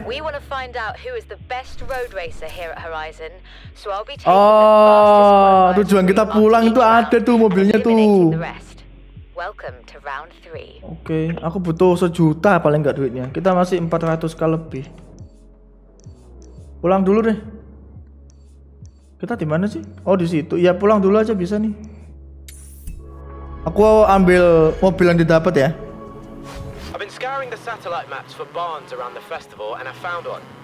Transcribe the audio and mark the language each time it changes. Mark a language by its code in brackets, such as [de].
[en] We want to find out who is the best road racer here at Horizon. So I'll be taking the [id] tujuan kita pulang itu ada tuh mobilnya tuh. [en] Welcome to round 3. [id] Oke, aku butuh 1 juta paling enggak duitnya. Kita masih 400k lebih. Pulang dulu deh. Kita di mana sih? Oh, di situ. Ya pulang dulu aja bisa nih. Aku ambil mobil yang didapat ya. [en] I've been scouring the satellite maps for barns around the festival and I found one.